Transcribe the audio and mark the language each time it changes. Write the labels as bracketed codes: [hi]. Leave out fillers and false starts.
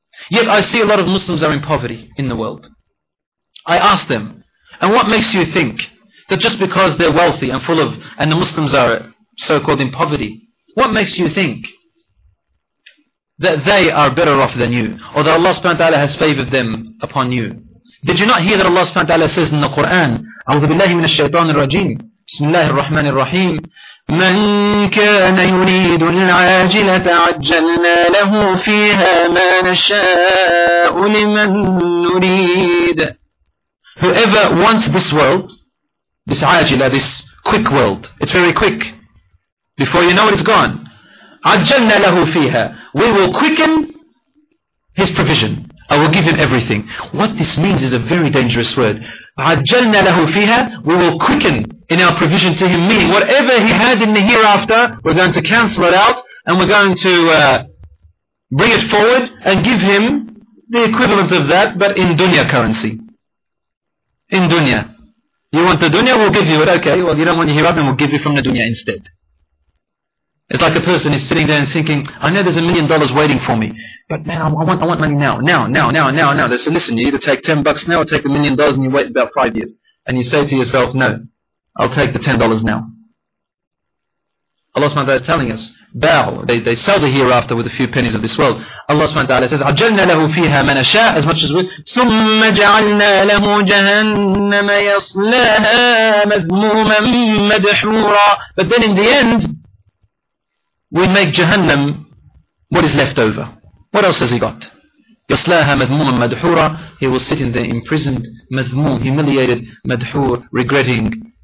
[en] Yet I see a lot of Muslims are in poverty in the world. I ask them, and what makes you think that just because they're wealthy and full of, and the Muslims are so-called in poverty, what makes you think that they are better off than you, or that Allah subhanahu wa ta'ala has favored them upon you? Did you not hear that Allah subhanahu wa ta'ala says in the Quran, [ar] أعوذ بالله من الشيطان الرجيم بسم الله الرحمن الرحيم من كان يريد العاجلة عجلنا له فيها ما نشاء لمن نريد. [en] Whoever wants this world, this ajila, this quick world, it's very quick. Before you know it, it's gone. [ar] عجلنا له فيها. [en] We will quicken his provision. I will give him everything. What this means is a very dangerous word. [ar] عَجَّلْنَا لَهُ فِيهَا. [en] We will quicken in our provision to him. Meaning whatever he had in the hereafter, we're going to cancel it out and we're going to bring it forward and give him the equivalent of that, but in dunya currency. In dunya. You want the dunya? We'll give you it. Okay, well, you don't want the hereafter, then we'll give you from the dunya instead. It's like a person is sitting there and thinking, I know there's $1 million waiting for me, but man, I want money now, now, now, now, now, now. They said, listen, you either take $10 now or take $1 million and you wait about 5 years. And you say to yourself, no, I'll take the $10 now. Allah subhanahu wa ta'ala is telling us, bow, they sell the hereafter with a few pennies of this world. Allah subhanahu wa ta'ala says, [ar] عَجَلْنَا لَهُ فِيهَا مَنَ شَاءَ [en] as much as we, [ar] ثُمَّ جَعَلْنَا لَهُ جَهَنَّمَ يَصْلَاهَا مَذْمُومًا مَدْحُورًا. [en] But then in the end, we make Jahannam what is left over. What else has he got? [ar] يَصْلَاهَا مَذْمُومًا مَدْحُورًا. [en] He will sit in there imprisoned, مَذْمُوم, humiliated, مَدْحُور, regretting.